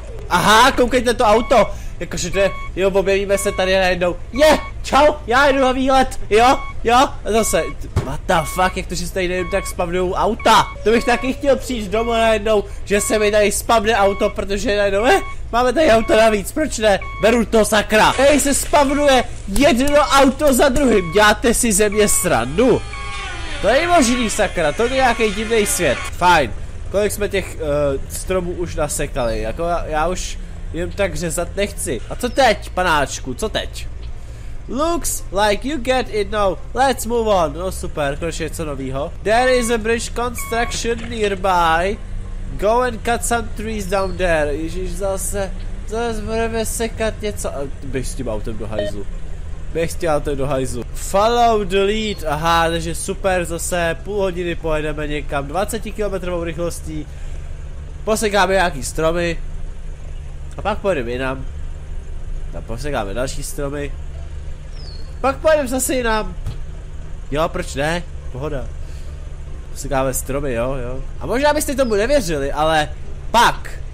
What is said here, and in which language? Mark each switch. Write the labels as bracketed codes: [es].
[cs] Aha, koukejte to auto, jakože to je, jo, objevíme se tady najednou, je, čau, já jdu na výlet, jo, jo, a zase, [en] what the fuck, [cs] jak to, že se tady najednou tak spavnujou auta, to bych taky chtěl přijít domů najednou, že se mi tady spavne auto, protože najednou, máme tady auto navíc, proč ne, beru to sakra, hej, se spavnuje jedno auto za druhým, děláte si ze mě srandu, to je možný sakra, to je nějaký divný svět, fajn. Kolik jsme těch stromů už nasekali, jako já už jim tak řezat nechci. A co teď, panáčku, co teď? [en] Looks like you get it now, let's move on. [cs] No super, konečně něco novýho. [en] There is a bridge construction nearby. Go and cut some trees down there. [cs] Ježíš, zase budeme sekat něco. Běž s tím autem do hajzlu. Běž s tím autem do hajzlu. [en] Follow the lead, [cs] aha, takže super, zase půl hodiny pojedeme někam 20 km rychlostí, posekáme nějaký stromy a pak pojedeme jinam a posekáme další stromy, pak pojedeme zase jinam, jo, proč ne, pohoda, posekáme stromy, jo, jo, a možná byste tomu nevěřili, ale pak,